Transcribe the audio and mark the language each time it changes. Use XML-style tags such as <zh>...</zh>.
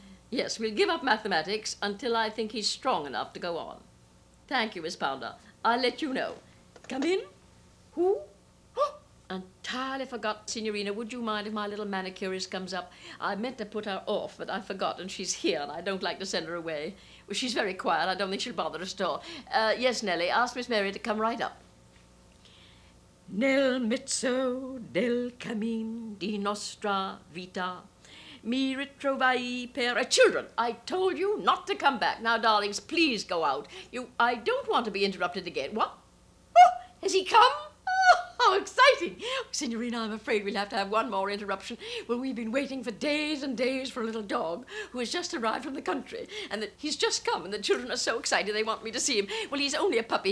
<en>Yes, we'll give up mathematics until I think he's strong enough to go on. Thank you, Miss Pounder. I'll let you know. Come in. Who? Entirely forgot, Signorina. Would you mind if my little manicurist comes up? I meant to put her off, but I forgot, and she's here, and I don't like to send her away. Well, she's very quiet. I don't think she'll bother us at all. Yes, Nelly, ask Miss Mary to come right up.</en> <it>Nel mezzo del cammin di nostra vita mi ritrovai per...</it> <en>Children, I told you not to come back. Now, darlings, please go out. I don't want to be interrupted again. What? Oh, has he come? How exciting! Signorina, I'm afraid we'll have to have one more interruption. Well, we've been waiting for days and days for a little dog who has just arrived from the country, and that he's just come, and the children are so excited they want me to see him. Well, he's only a puppy.</en>